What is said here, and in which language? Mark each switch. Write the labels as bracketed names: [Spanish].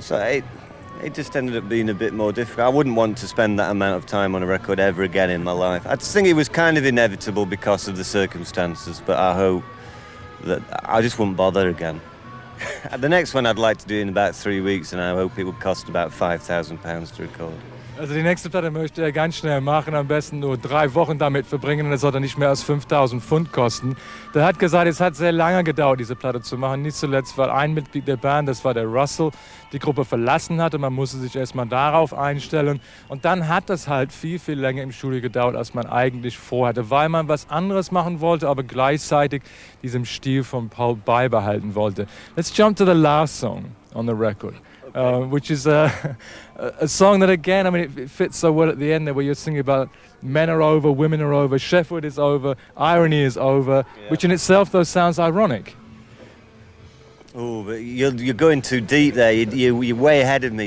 [English] So it just ended up being a bit more difficult. I wouldn't want to spend that amount of time on a record ever again in my life. I just think it was kind of inevitable because of the circumstances, but I hope that I just wouldn't bother again. The next one I'd like to do in about 3 weeks, and I hope it would cost about £5,000 to record. [German] Also die nächste Platte möchte er ganz schnell machen, am besten nur 3 Wochen damit verbringen und es sollte nicht mehr als 5.000 Pfund kosten. Der hat gesagt, es hat sehr lange gedauert, diese Platte zu machen, nicht zuletzt, weil ein Mitglied der Band, das war der Russell, die Gruppe verlassen hatte. Man musste sich erstmal darauf einstellen und dann hat das halt viel, viel länger im Studio gedauert, als man eigentlich vorhatte, weil man was anderes machen wollte, aber gleichzeitig diesem Stil von Pulp beibehalten wollte. [English] Let's jump to the last song on the record. Which is a song that, again, I mean, it fits so well at the end there, where you're singing about men are over, women are over, Sheffield is over, irony is over, which in itself, though, sounds ironic. Oh, but you're going too deep there. You're way ahead of me.